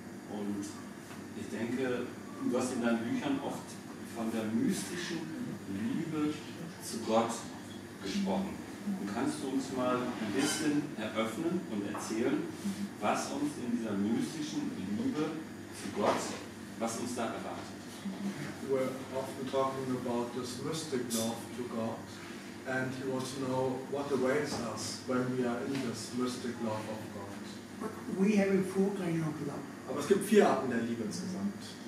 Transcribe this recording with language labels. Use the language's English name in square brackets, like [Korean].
[German] Und ich denke, du hast in deinen Büchern oft von der mystischen Liebe zu Gott gesprochen. Und kannst du uns mal ein bisschen eröffnen und erzählen, was uns in dieser mystischen Liebe zu Gott, was uns da erwartet? [English] We're often talking about this mystic love to God, and he wants to know what awaits us when we are in this mystic love of God. But we have a full kind of love. [German] Aber es gibt vier Arten der Liebe insgesamt.